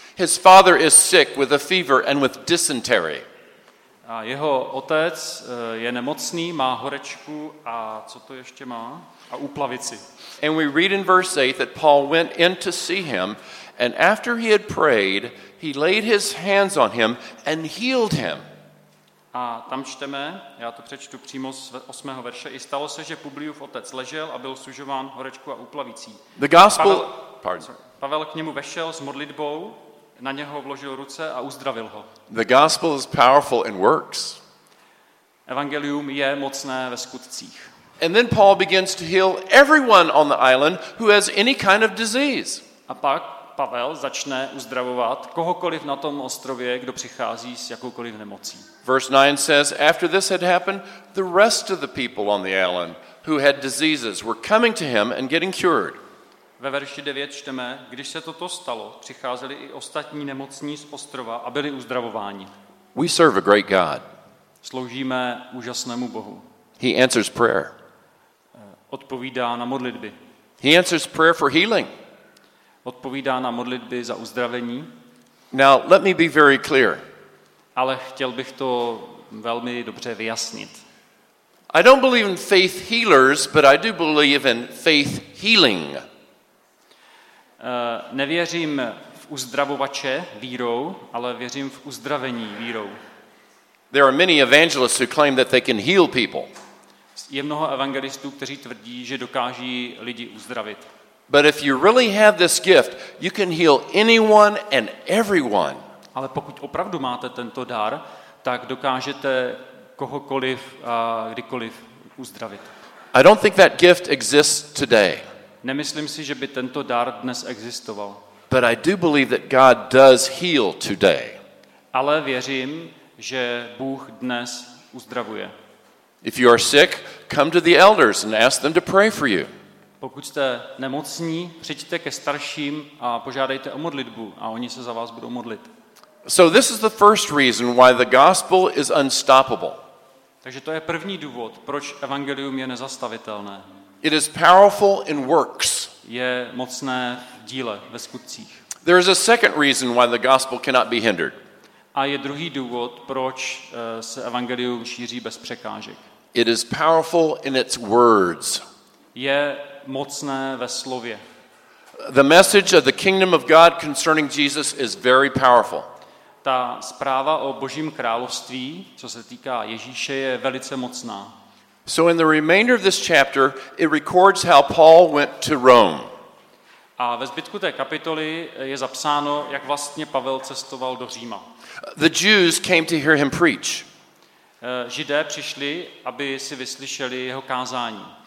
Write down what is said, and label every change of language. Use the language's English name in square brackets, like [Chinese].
[English] His father is sick with a fever and with dysentery. [Czech] A jeho otec je nemocný, má horečku a co to ještě má? A úplavici. [English] And we read in verse 8 that Paul went in to see him and after he had prayed, he laid his hands on him and healed him. [Czech] A tam čteme, já to přečtu přímo z 8. verše, i stalo se, že Publiův otec ležel a byl sužován horečku a úplavicí. [English] The gospel, Pavel [Czech] k němu vešel s modlitbou, na něho vložil ruce a uzdravil ho. [English] The gospel is powerful in works. [Czech] Evangelium je mocné ve skutcích. [English] And then Paul begins to heal everyone on the island who has any kind of disease. [Czech] A pak Pavel začne uzdravovat kohokoliv na tom ostrově, kdo přichází s jakoukoliv nemocí. [English] Verse 9 says, after this had happened, the rest of the people on the island who had diseases were coming to him and getting cured. [Czech] Ve verši 9 čteme, když se toto stalo, přicházeli i ostatní nemocní z ostrova a byli uzdravováni. [English] We serve a great God. [Czech] Sloužíme úžasnému Bohu. [English] He answers prayer. [Czech] Odpovídá na modlitby. [English] He answers prayer for healing. [Czech] Odpovídá na modlitby za uzdravení. [English] Now, let me be very clear. [Czech] Ale chtěl bych to velmi dobře vyjasnit. [English] I don't believe in faith healers, but I do believe in faith healing. [Czech] Nevěřím v uzdravovače vírou, ale věřím v uzdravení vírou. [English] There are many evangelists who claim that they can heal people. [Czech] Je mnoho evangelistů, kteří tvrdí, že dokáží lidi uzdravit. [English] But if you really have this gift, you can heal anyone and everyone. [Czech] Ale pokud opravdu máte tento dar, tak dokážete kohokoliv a kdykoliv uzdravit. [English] I don't think that gift exists today. [Czech] Nemyslím si, že by tento dar dnes existoval. [English] But I do believe that God does heal today. [Czech] Ale věřím, že Bůh dnes uzdravuje. [English] If you are sick, come to the elders and ask them to pray for you. [Czech] Pokud jste nemocní, přijďte ke starším a požádejte o modlitbu a oni se za vás budou modlit. [English] So this is the first reason why the gospel is unstoppable. [Czech] Takže to je první důvod, proč evangelium je nezastavitelné. [English] It is powerful in works. [Czech] Je mocné v díle, ve skutcích. [English] There is a second reason why the gospel cannot be hindered. [Czech] A je druhý důvod, proč se evangelium šíří bez překážek. [English] It is powerful in its words. [Czech] Je mocné ve slově. [English] The message of the kingdom of God concerning Jesus is very powerful. [Czech] Ta zpráva o Božím království, co se týká Ježíše, je velice mocná. [English] So in the remainder of this chapter, it records how Paul went to Rome. [Czech] A ve zbytku té kapitoly je zapsáno, jak vlastně Pavel cestoval do Říma. [English] The Jews came to hear him preach. [Czech] Židé přišli, aby si vyslyšeli jeho kázání.